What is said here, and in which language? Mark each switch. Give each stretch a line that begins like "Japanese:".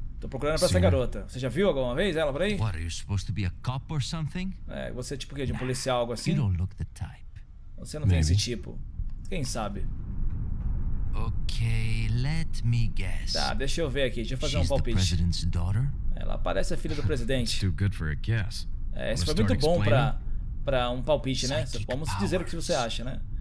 Portuguese: Tô procurando pra essa garota. Você já viu alguma vez ela por aí?
English: What, are you supposed to be a cop or something?
Portuguese: É, você é tipo o quê? De um policial, algo assim?
English: You don't look the type.
Portuguese: Você não tem esse tipo. Quem sabe?
English: Ok, let me guess.
Portuguese: Tá, deixa eu ver aqui, deixa eu fazer um palpite. Ela parece a filha do presidente.
English: Too good for a guess.
Portuguese: É, isso foi muito bom pra um palpite, né? Vamos dizer o que você acha, né?